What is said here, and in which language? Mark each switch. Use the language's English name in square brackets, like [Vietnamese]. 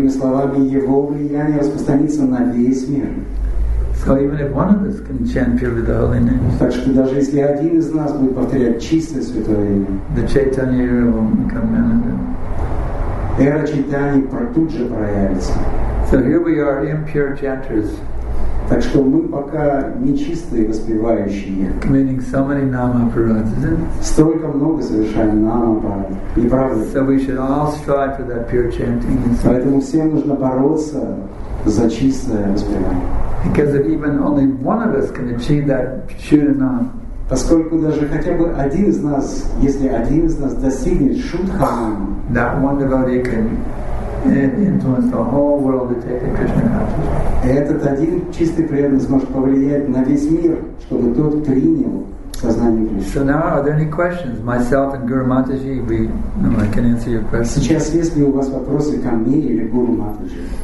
[English] So even if one of us can chant purely the holy name, the Chaitanya era will become manifest. So here we are, impure chanters. [Russian] Так что мы пока нечистые воспевающие. [English] Meaning so many nama-paradas. [Russian] Столько много совершаем нама-парад. Не правда? [English] So we should all strive for that pure chanting. [Russian] Поэтому всем нужно бороться за чистое воспевание. [English] Because if even only one of us can achieve that shuddha nama. [Russian] Поскольку даже хотя бы один из нас, если один из нас достигнет шуддха нама, [English] that one devotee can influence the whole world to take the Krishna consciousness. [Russian] Этот один чистый преданный сможет повлиять на весь мир, чтобы тот принял сознание Кришны. [English] So now, are there any questions? Myself and Guru Mataji, I can answer your questions. [Russian] Сейчас есть ли у вас вопросы ко мне или Гуру Матаджи?